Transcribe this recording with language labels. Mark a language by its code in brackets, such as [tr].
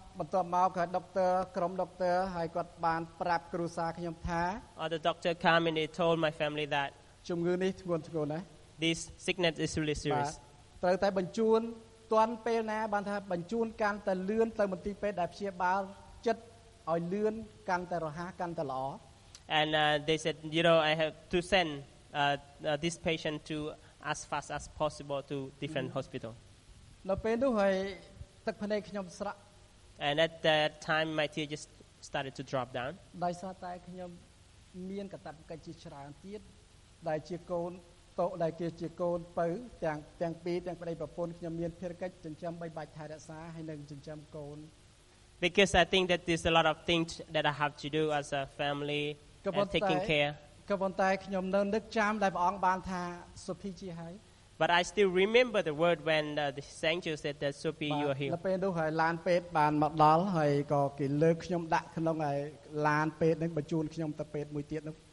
[km] បន្ទាប់មកក្រុមដុកទ័រហើយគាត់បានប្រាប់គ្រួសារខ្ញុំថា [en] The doctor came and he told my family that. [km] ជំងឺនេះធ្ងន់ធ្ងរណាស់ [en] This sickness is really serious. [km] ត្រូវតែបញ្ជូនទាន់ពេលណាបានថាបញ្ជូនកាន់តែលឿនទៅមន្ទីរពេទ្យដែលព្យាបាលចិត្តឲ្យលឿនកាន់តែរហ័សកាន់តែល្អ [en] And they said you know I have to send this patient to as fast as possible to different hospital. [km] នៅពេលនោះហើយទឹកភ្នែកខ្ញុំស្រក់ [en] And at that time my tears just started to drop down. [km] ដោយសារតែខ្ញុំមានកាតព្វកិច្ចជាច្រើនទៀតដែលជាកូនតោដែលគេជាកូនពៅទាំងពីរទាំងប្តីប្រពន្ធខ្ញុំមានភារកិច្ចចិញ្ចឹមបីបាច់ថែរក្សាហើយនឹងចិញ្ចឹមកូន [en] Because I think that there's a lot of things that I have to do as a family and taking care [km] ក៏ប៉ុន្តែខ្ញុំនៅនឹកចាំដែលព្រះអង្គបានថាសុភីជាហើយ [en] But I still remember the word when the angel said that Sophie you are healed [km] ពេលនោះហើយឡានពេទ្យបានមកដល់ហើយក៏គេលើកខ្ញុំដាក់ក្នុងឯឡានពេទ្យនឹងបញ្ជូនខ្ញុំទៅពេទ្យមួយទៀតនោះ